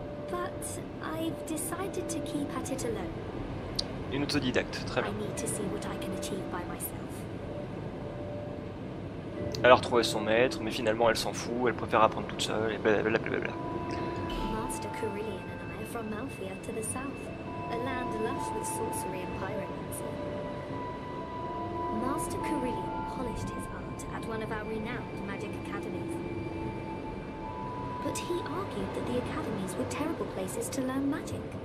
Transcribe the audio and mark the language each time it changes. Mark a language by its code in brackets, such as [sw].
[en] But I've decided to keep at it alone. [fr] Une autodidacte, très bien. [en] I need to see what I can achieve by myself. [fr] Elle a retrouvé son maître, mais finalement elle s'en fout, elle préfère apprendre toute seule et blablabla. [en] Master Kurian and I are from Malfia to the south, a land lush with sorcery and pyromancy. Master Kurian polished his art at one of our renowned magic academies. But he argued that the academies were terrible places to learn magic.